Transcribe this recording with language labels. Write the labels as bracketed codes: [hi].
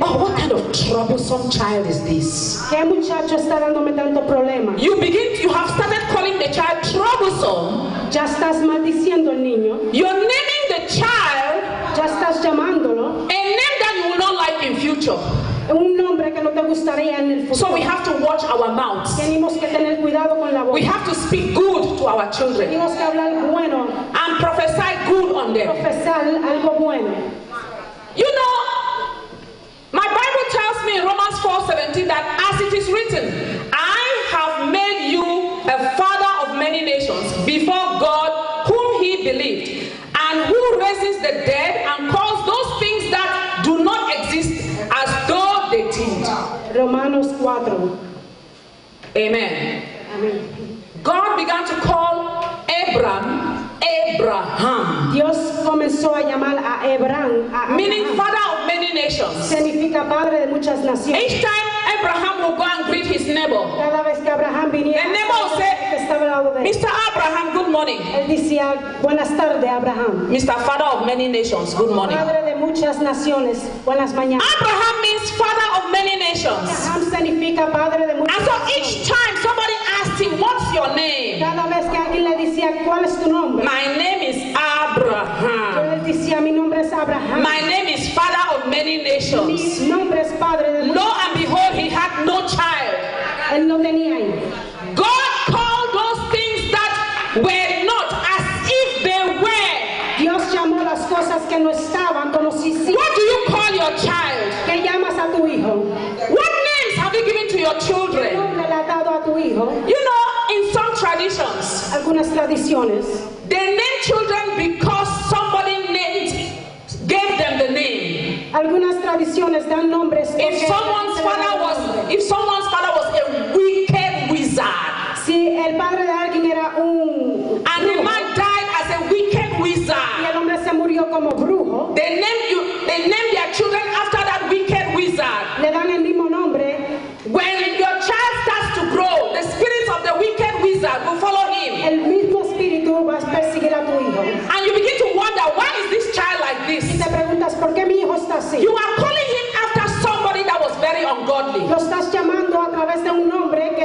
[en] Oh, what kind of troublesome child is this? [es] ¿Qué muchacho está dándome tanto problema? [en] You have started calling the child troublesome. [es] Ya estás maldiciendo al niño. [en] You're naming the child. [es] Ya estás llamándolo. [en] A name that you will not like in future. [es] Un nombre que no te gustaría en el futuro. [en] So we have to watch our mouths. [es] Tenemos que tener cuidado con la voz. [en] We have to speak good to our children. [es] Tenemos que hablar bueno. [en] And prophesy good on them. [es] Profesar algo bueno. [en] You know, my Bible tells me in Romans 4:17 that as it is written, I have made you a father of many nations before God whom he believed and who raises the dead and calls those things that do not exist as though they did. [es] Romanos 4. Amen. Amen. [en] God began to call Abraham, Abraham. [es] Dios comenzó a llamar a Abraham, a Abraham. [en] Meaning father of many nations. [es] Significa padre de muchas naciones. [en] Each time Abraham will go and greet his neighbor. [es] Cada vez que Abraham viniera, [en] the neighbor will say, [es] que estaba al lado de él. [en] Mr. Abraham, good morning. [es] Él decía, buenas tardes, Abraham. [en] Mr. Father of many nations, good morning. [es] Padre de muchas naciones, buenas mañanas. [en] Abraham means father of many nations. [es] Abraham significa padre de muchas naciones. [en] And so each time somebody asked him, what's your name? [es] Cada vez que alguien le decía, ¿cuál es tu nombre? [en] My name is Abraham. [es] Yo le decía, mi nombre es Abraham. [en] My name is father of many nations. [es] Mi nombre es padre de muchas naciones. [en] Lo and behold, he had no child. [es] Él no tenía hijo. [en] God called those things that were not as if they were. [es] Dios llamó las cosas que no estaban como si sí. [en] What do you call your child? [es] ¿Qué llamas a tu hijo? [en] What names have you given to your children? [es] ¿Qué nombre le has dado a tu hijo? [en] You know, in some traditions, [es] algunas tradiciones, [en] they name children because somebody named gave them the name. [es] Algunas tradiciones dan nombres. [en] If someone's father was a wicked wizard, [es] si el padre de alguien era un [en] and the man died as a wicked wizard, [es] y el hombre se murió como brujo, [en] they name their children after that wicked wizard. [es] Le dan el mismo nombre. [en] When your child starts to grow, the spirit of the wicked wizard will follow him. [es] El mismo espíritu va a perseguir a tu hijo. [en] And you begin to wonder, why is this child like this? [es] Y te preguntas, ¿por qué mi hijo está así? [en] You are calling him after somebody that was very ungodly. [es] Lo estás llamando a través de un hombre que